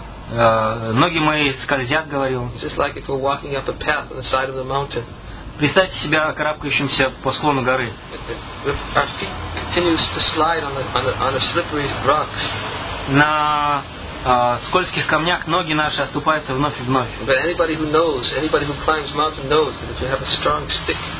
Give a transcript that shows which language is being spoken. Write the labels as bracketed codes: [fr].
[ru] Ноги мои скользят, говорил. [en] It's just like if we're walking up a path on the side of the mountain. [ru] Представьте себя карабкающимся по склону горы. [en] Our feet continues to slide on the slippery rocks. [ru] На скользких камнях ноги наши оступаются вновь и вновь. [en] But anybody who knows, anybody who climbs mountain knows that if you have a strong stick.